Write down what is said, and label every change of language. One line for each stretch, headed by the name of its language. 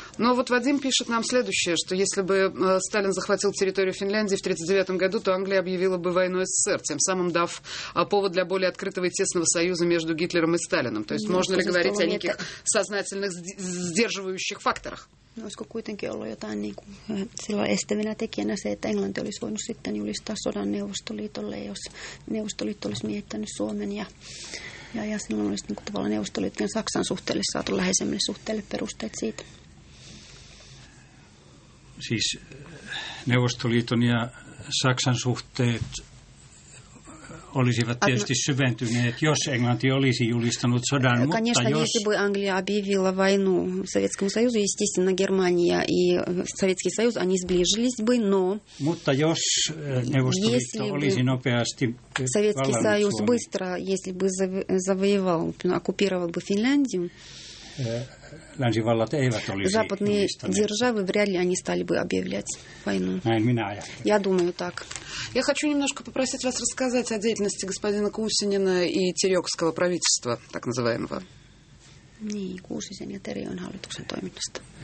Russian: Но вот Вадим пишет нам следующее, что если бы Сталин захватил территорию Финляндии в 1939 году, то Англия объявила бы войну СССР, тем самым дав повод для более открытого и тесного союза между Гитлером и Сталином. То есть можно ли говорить о неких сознательных сдерживающих факторах?
Finnish: Olisiko kuitenkin ollut jotain niin kuin, silloin estävänä tekijänä se, että Englanti olisi voinut sitten julistaa sodan Neuvostoliitolle, jos Neuvostoliitto olisi miettänyt Suomen ja silloin olisi niin kuin, tavallaan Neuvostoliitto ja Saksan suhteelle saatu läheisemmille suhteelle perusteet siitä. Siis Neuvostoliiton ja Saksan suhteet olisivat tietysti syventyneet, jos Englanti olisi julistanut sodan,
Russian: конечно,
Finnish: mutta jos...
Russian: Конечно, если бы Англия объявила войну Советскому Союзу, естественно, Германия и Советский Союз, они сближились бы, но...
Finnish: Mutta jos Neuvostoliitto olisi nopeasti vallannut
Russian: Советский Союз
Finnish: Suomen,
Russian: быстро, если бы завоевал, оккупировал бы Финляндию...
Finnish: Länsivallat eivät olisi
Russian: западные державы вряд ли они стали бы объявлять войну.
Finnish: Näin minä ajattelin.
Russian: Я думаю так. Я хочу немножко попросить вас рассказать о деятельности господина Кусинина и Терёкского правительства, так называемого.
Finnish: Niin, Kuusisen ja Terion hallituksen toiminnasta.